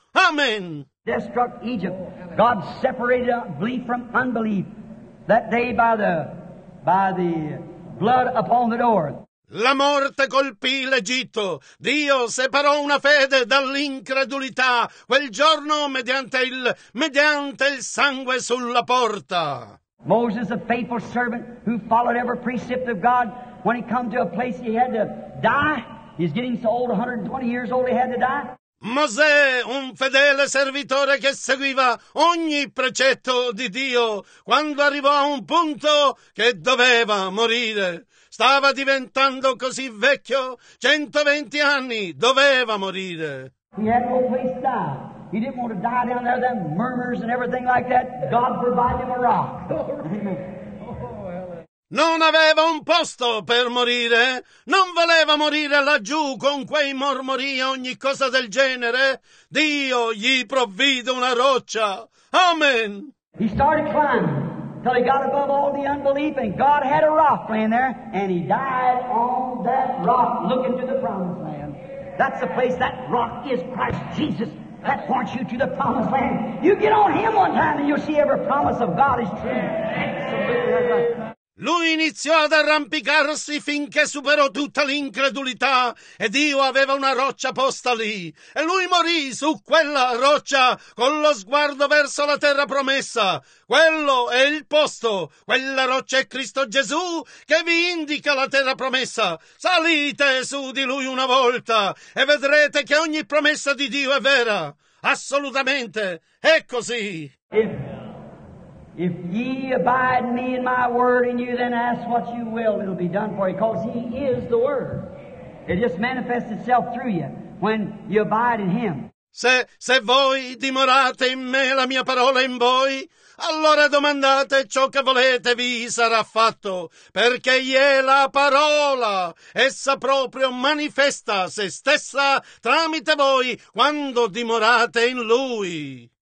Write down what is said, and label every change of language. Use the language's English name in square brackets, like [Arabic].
[English] Amen. Death struck Egypt. God separated belief from unbelief that day by the blood upon the door. [Italian] La morte colpì l'Egitto. Dio separò una fede dall'incredulità quel giorno mediante il sangue sulla porta. [English] Moses, a faithful servant who followed every precept of God, when he came to a place he had to die. He's getting so old, 120 years old, he had to die. [Italian] Mosè, un fedele servitore che seguiva ogni precetto di Dio, quando arrivò a un punto che doveva morire. Stava diventando così vecchio, 120 anni, doveva morire. [English] He had no place to die. He didn't want to die down there, them murmurs and everything like that. God provided him a rock. [Italian] Non aveva un posto per morire, non voleva morire laggiù con quei mormori e ogni cosa del genere. Dio gli provvide una roccia. [English] Amen. He started climbing till he got above all the unbelief, and God had a rock laying there, and he died on that rock looking to the promised land. That's the place, that rock is Christ Jesus. That points you to the promised land. You get on him one time and you'll see every promise of God is true. Absolutely. [Italian] Lui iniziò ad arrampicarsi finché superò tutta l'incredulità e Dio aveva una roccia posta lì e lui morì su quella roccia con lo sguardo verso la terra promessa. Quello è il posto, quella roccia è Cristo Gesù che vi indica la terra promessa. Salite su di lui una volta e vedrete che ogni promessa di Dio è vera. Assolutamente, è così. [English] If ye abide in me and my word in you, then ask what you will, it'll be done for you, because he is the word. It just manifests itself through you when you abide in him. [Italian] Se voi dimorate in me, la mia parola in voi, allora domandate ciò che volete, vi sarà fatto, perché egli è la parola. Essa proprio manifesta se stessa tramite voi quando dimorate in lui.